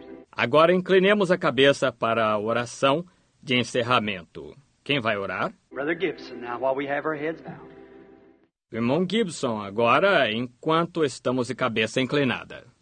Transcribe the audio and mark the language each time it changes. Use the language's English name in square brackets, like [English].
[Portuguese] Agora inclinemos a cabeça para a oração de encerramento. Quem vai orar? [English] Brother Gibson, now, while we have our heads bowed. [Portuguese] Irmão Gibson, agora enquanto estamos de cabeça inclinada.